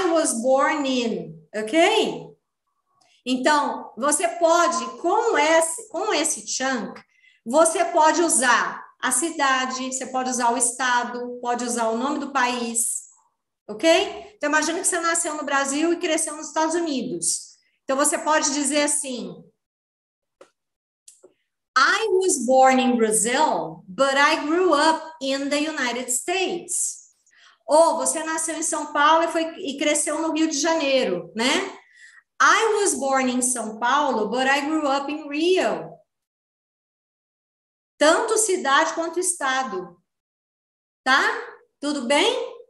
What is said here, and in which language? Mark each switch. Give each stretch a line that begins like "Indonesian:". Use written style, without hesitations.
English: I was born in,
Portuguese: ok? Então, você pode, com esse chunk, você pode usar a cidade, você pode usar o estado, pode usar o nome do país, ok? Então, imagina que você nasceu no Brasil e cresceu nos Estados Unidos. Então, você pode dizer assim:
English: I was born in Brazil, but I grew up in the United States.
Portuguese: Ou você nasceu em São Paulo e cresceu no Rio de Janeiro, né?
English: I was born in São Paulo, but I grew up in Rio.
Portuguese: Tanto cidade quanto estado. Tá? Tudo bem?